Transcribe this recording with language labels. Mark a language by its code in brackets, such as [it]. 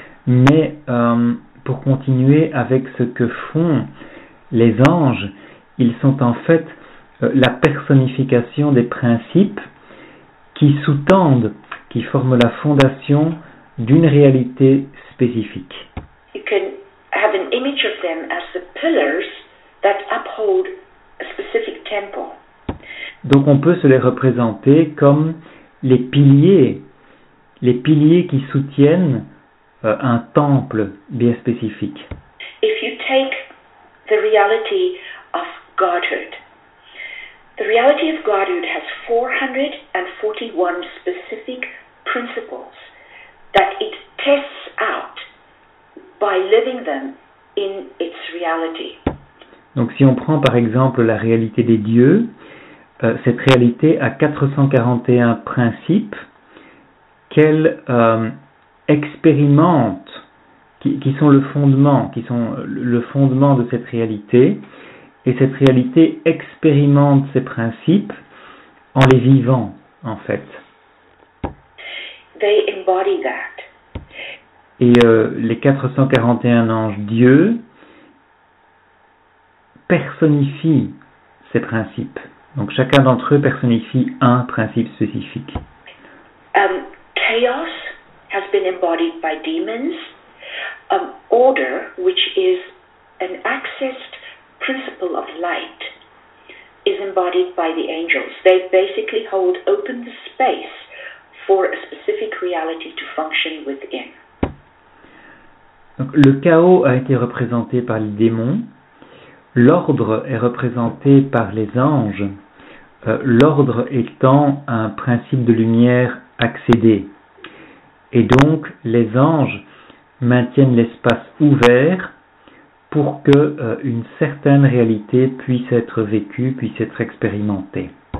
[fr] Mais pour continuer avec ce que font les anges, ils sont en fait la personnification des principes qui sous-tendent, qui forment la fondation d'une réalité spécifique. [en] You can have an image of them as the pillars that uphold a specific temple. [fr] Donc on peut se les représenter comme les piliers qui soutiennent un temple bien spécifique. [en] If you take the reality of Godhood, the reality of Godhood has 441 specific principles that it tests out by living them in its reality. [fr] Donc si on prend par exemple la réalité des dieux, cette réalité a 441 principes qu'elle expérimente, qui sont le fondement, qui sont le fondement de cette réalité. Et cette réalité expérimente ces principes en les vivant, en fait. [en] They embody that. [fr] Et les 441 anges Dieu personnifient ces principes. Donc chacun d'entre eux personnifie un principe spécifique. [en] Chaos has been embodied by demons. Order, which is an accessed principle of light, is embodied by the angels. They basically hold open the space for a specific reality to function within. [fr] Donc, le chaos a été représenté par les démons. L'ordre est représenté par les anges. L'ordre étant un principe de lumière accédé. Et donc, les anges maintiennent l'espace ouvert pour que une certaine réalité puisse être vécue, puisse être expérimentée.